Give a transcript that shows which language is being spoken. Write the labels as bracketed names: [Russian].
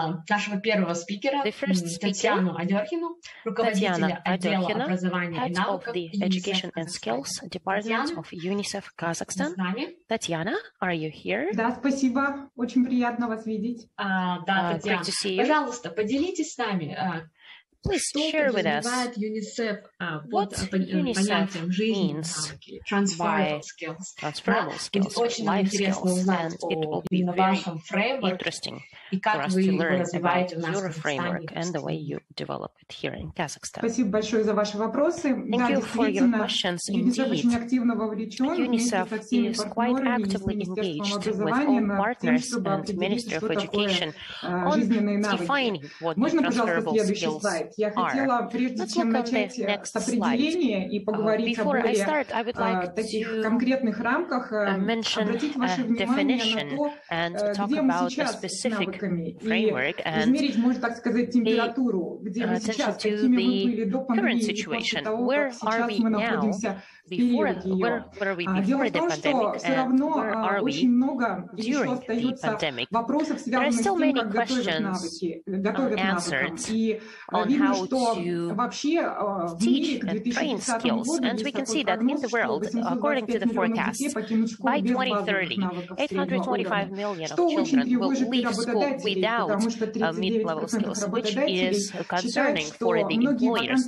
[Russian] Нашего первого спикера, Татьяну Адёрхину, руководителя отдела образования и навыков UNICEF [English] Department of UNICEF Kazakhstan. Татьяна, are you here? [Russian] Да, спасибо. Очень приятно вас видеть. [English] Татьяна, great to see you. [Russian] Пожалуйста, поделитесь с нами, [English] Please share with us UNICEF, what UNICEF means by transferable skills, life skills, and it will be very interesting for us to learn about your framework and the way you develop it here in Kazakhstan. Thank you for your questions. Indeed, UNICEF is quite actively engaged with all partners and Ministry of Education on defining what transferable skills are. [Russian] Я хотела, прежде чем начать определение и поговорить о более таких конкретных рамках, обратить ваше внимание на то, где мы сейчас с навыками, и измерить, можно так сказать, температуру, где мы сейчас, какими мы были до пандемии, после того, как сейчас мы находимся в периоде ее. Дело в том, что все равно очень много еще остается вопросов, связанных с тем, как готовят навыки. И видно, [English] And we can see that in the world, according to the forecast, by 2030, 825 million of children will leave school without mid-level skills, which is concerning for the employers.